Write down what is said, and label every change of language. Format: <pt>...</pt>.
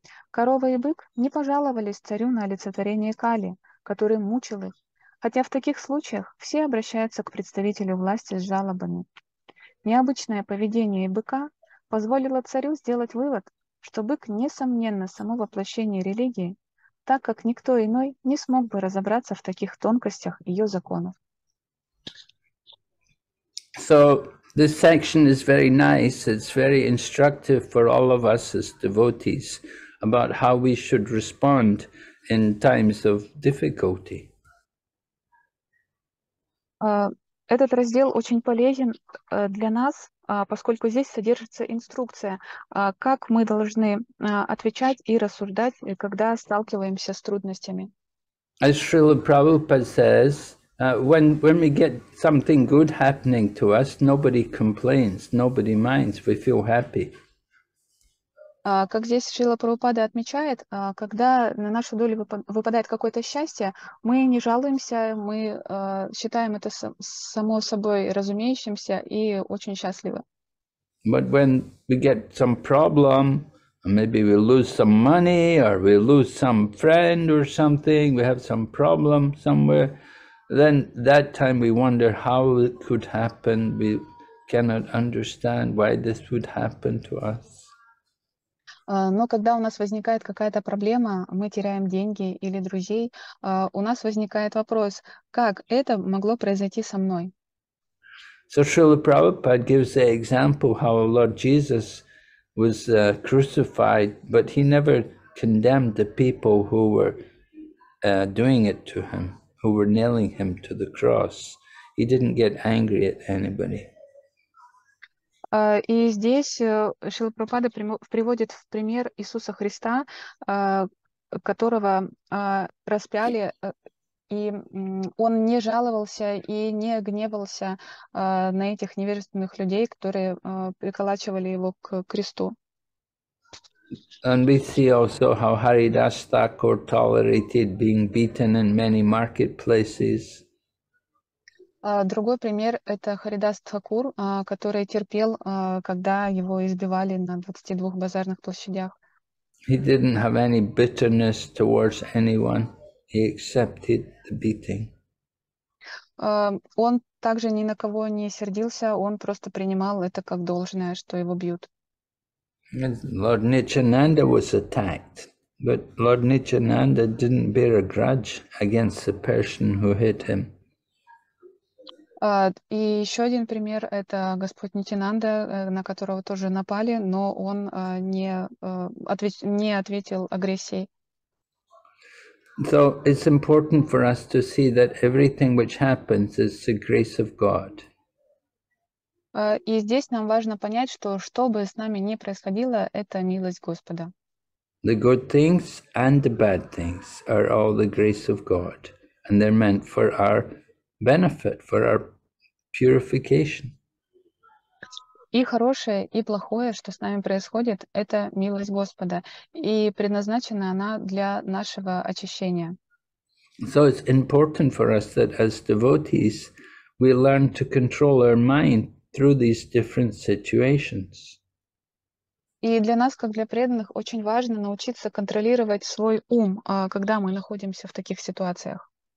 <ru>Корова и бык не пожаловались царю на олицетворение Кали, который мучил их, хотя в таких случаях все обращаются к представителю власти с жалобами. Необычное поведение быка позволило царю сделать вывод, что бык, несомненно, само воплощение религии, так как никто иной не смог бы разобраться в таких тонкостях ее законов.</ru> <en>So this section is very nice. It's very instructive for all of us as devotees about how we should respond in times of difficulty.</en> <ru>Этот раздел очень полезен для нас, поскольку здесь содержится инструкция, как мы должны отвечать и рассуждать, когда сталкиваемся с трудностями.</ru> <en>As Srila Prabhupada says, when we get something good happening to us, nobody complains, nobody minds, we feel happy.</en> <ru>Как здесь Шрила Прабхупада отмечает, когда на нашу долю выпадает какое-то счастье, мы не жалуемся, мы считаем это само собой разумеющимся и очень счастливы.</ru> <en>But when we get some problem, maybe we lose some money, or we lose some friend or something, we have some problem somewhere, then that time we wonder how it could happen, we cannot understand why this would happen to us.</en> <ru>Но когда у нас возникает какая-то проблема, мы теряем деньги или друзей, у нас возникает вопрос, как это могло произойти со мной?</ru> <en>So Srila Prabhupada gives the example how Lord Jesus was crucified, but he never condemned the people who were doing it to him, who were nailing him to the cross. He didn't get angry at anybody.</en> <ru>И здесь Шрила Прабхупада приводит в пример Иисуса Христа, которого распяли, и он не жаловался и не гневался на этих невежественных людей, которые приколачивали его к кресту.</ru> <en>And we see also how Haridas Thakur tolerated being beaten in many marketplaces.</en> <ru>Другой пример — это Харидас Тхакур, который терпел, когда его избивали на 22 базарных площадях.</ru> <en>He didn't have any bitterness towards anyone. He accepted the beating.</en> <ru>Он также ни на кого не сердился, он просто принимал это как должное, что его бьют.</ru> <en>And Lord Nityananda was attacked, but Lord Nityananda didn't bear a grudge against the person who hit him.</en> <ru>И еще один пример — это Господь Нитинанда, на которого тоже напали, но он не ответил агрессией.</ru> <en>So it's important for us to see that everything which happens is the grace of God.</en> <ru>И здесь нам важно понять, что бы с нами ни происходило, это милость Господа.</ru> <en>The good things and the bad things are all the grace of God, and they're meant for our benefit, for our purification.</en> <ru>И хорошее, и плохое, что с нами происходит, это милость Господа, и предназначена она для нашего очищения.</ru> <en>So it's important for us that as devotees we learn to control our mind through these different situations.</en> <ru>И для нас, как для преданных, очень важно научиться контролировать свой ум, когда мы находимся в таких ситуациях.</ru>